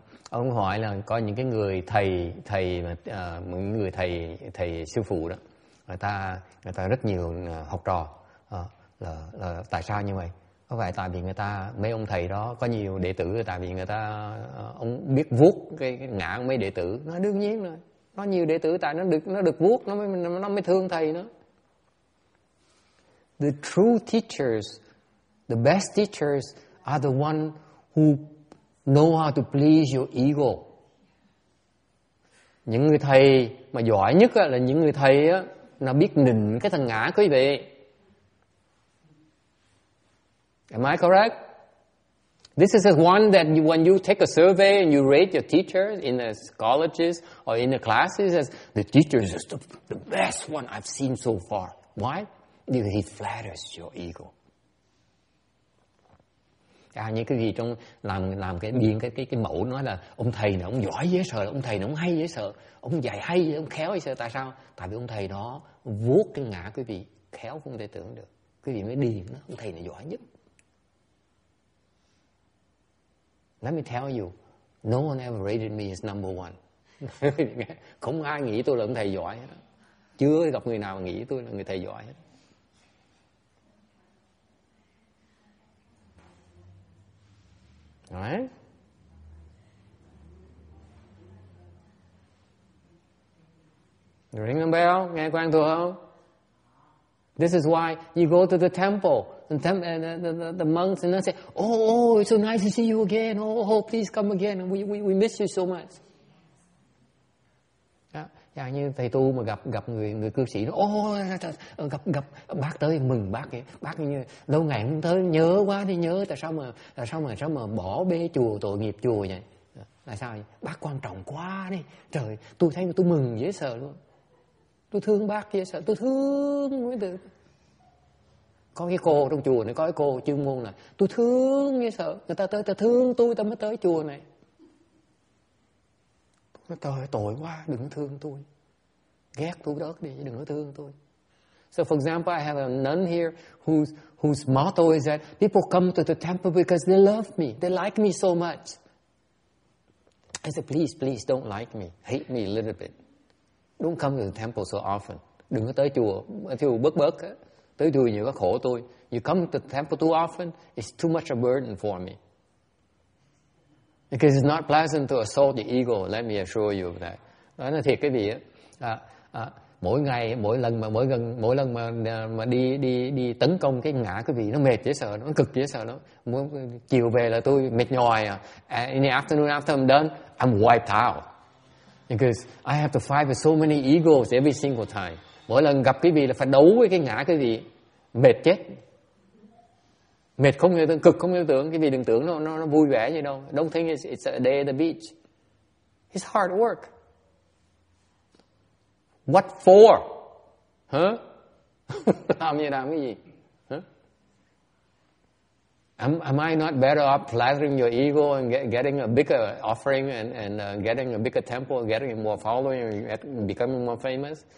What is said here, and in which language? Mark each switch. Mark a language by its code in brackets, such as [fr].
[vi] Ông hỏi là có những cái người thầy mà những người thầy sư phụ đó, người ta rất nhiều học trò, là tại sao như vậy? Có phải tại vì người ta, mấy ông thầy đó có nhiều đệ tử, tại vì người ta ông biết vuốt cái ngã của mấy đệ tử. Nó đương nhiên rồi, nó nhiều đệ tử tại nó được vuốt, nó mới thương thầy nữa. [en] The true teachers, the best teachers are the one who know how to please your ego. [vi] Những người thầy mà giỏi nhất là những người thầy á, là biết nịnh cái thằng ngã, quý vị. [en] Am I correct? This is the one that you, when you take a survey and you rate your teachers in the colleges or in the classes, as the teacher is the best one I've seen so far. Why? Because he flatters your ego. [vi] À, những cái gì trong làm cái biên cái mẫu nói là ông thầy này ông giỏi dễ sợ, ông thầy này ông hay dễ sợ, ông dạy hay, ông khéo dễ sợ. Tại sao? Tại vì ông thầy đó vuốt cái ngã quý vị, khéo không thể tưởng được, quý vị mới điền đó, ông thầy này giỏi nhất. [en] Let me tell you, no one ever rated me as number one. [vi] Không ai nghĩ tôi là ông thầy giỏi hết. Chưa gặp người nào mà nghĩ tôi là người thầy giỏi hết. [en] Right? Ring the bell? [vi] Nghe quang thù không? [en] This is why you go to the temple and the monks and they say, oh, it's so nice to see you again. Oh, please come again. We miss you so much. [vi] Yeah, như thầy tu mà gặp người cư sĩ nó, gặp bác tới mừng bác vậy, bác như lâu ngày không tới, nhớ quá thì nhớ, tại sao mà bỏ bê chùa, tội nghiệp chùa vậy, tại sao vậy? Bác quan trọng quá đi, trời, tôi thấy tôi mừng dễ sợ luôn, tôi thương bác dễ sợ, tôi thương mới được. Có cái cô trong chùa này, có cái cô chuyên môn là tôi thương dễ sợ, người ta tới ta thương tôi ta mới tới chùa này. Trời, tội quá, đừng thương tôi. Ghét tôi đớt đi, đừng có thương tôi. [en] So for example, I have a nun here whose motto is that people come to the temple because they love me. They like me so much. I said, please don't like me. Hate me a little bit. Don't come to the temple so often. [vi] Đừng có tới chùa, bớt. Tới chùa nhiều có khổ tôi. [en] You come to the temple too often, it's too much a burden for me. Because it's not pleasant to assault the ego. Let me assure you of that. [vi] Nói thiệt cái gì á, mỗi ngày, mỗi lần mà đi tấn công cái ngã cái vị, nó mệt dễ sợ, nó cực dễ sợ lắm. Mỗi chiều về là tôi mệt nhòi. In the afternoon after I'm done, I'm wiped out. Because I have to fight with so many egos every single time. Mỗi lần gặp cái vị là phải đấu với cái ngã cái vị, mệt chết. Mệt không hiểu tưởng, cực không hiểu tưởng. Cái vị đừng tưởng nó vui vẻ như đâu. [en] Don't think it's a day at the beach. It's hard work. What for? [vi] Huh? Làm gì làm cái gì? Huh? [en] Am I not better off flattering your ego and getting a bigger offering and getting a bigger temple, getting more following and becoming more famous?